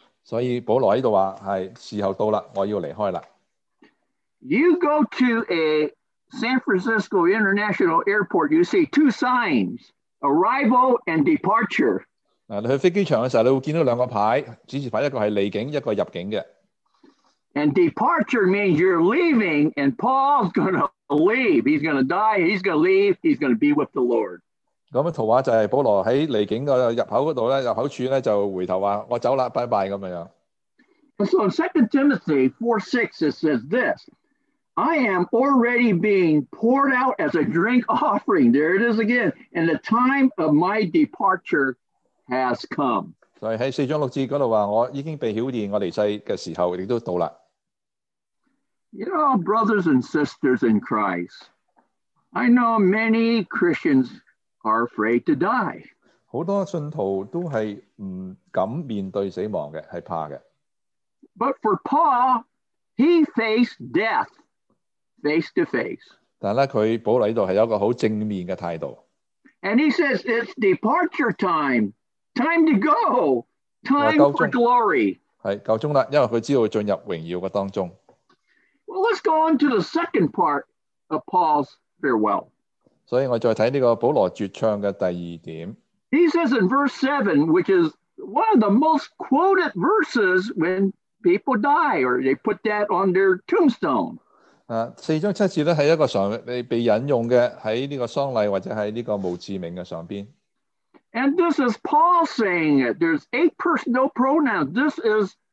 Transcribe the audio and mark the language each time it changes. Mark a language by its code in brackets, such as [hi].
[yue] 所以保罗喺度话系时候到啦，我要离开啦。 [en] You go to a San Francisco International Airport, you see two signs, arrival and departure. [yue] 嗱，你去飞机场嘅时候，你会见到两个牌，指示牌一个系离境，一个入境嘅。 [en] And departure means you're leaving, and Paul's going to leave. He's going to die. He's going to leave. He's going to be with the Lord. [yue] 咁嘅圖畫就係保羅喺離境個入口嗰度咧，入口處咧就回頭話：我走啦，拜拜咁樣。 [en] So in 2 Timothy 4:6 it says this: I am already being poured out as a drink offering. There it is again, and the time of my departure has come. [yue] 所以喺四章六節嗰度話：我已經被曉現，我離世嘅時候亦都到啦。 [en] You know, brothers and sisters in Christ, I know many Christians. Are afraid to die. [yue] 好多信徒都系唔敢面对死亡嘅，系怕嘅。 [en] But for Paul, he faced death face to face. [yue] 但咧，佢保罗呢度系有一个好正面嘅态度。 [en] And he says it's departure time, time to go, time for glory. [yue] 系够钟啦，因为佢知道进入荣耀嘅当中。 [en] Well, let's go on to the second part of Paul's farewell. [yue] 所以我再睇呢個保羅絕唱嘅第二點。 [en] He says in verse 7, which is one of the most quoted verses when people die, or they put that on their tombstone. [yue] 四章七節咧係一個常被引用嘅喺呢個喪禮或者喺呢個墓志銘嘅上邊。 [en] And this is Paul saying it. There's eight personal pronouns. This is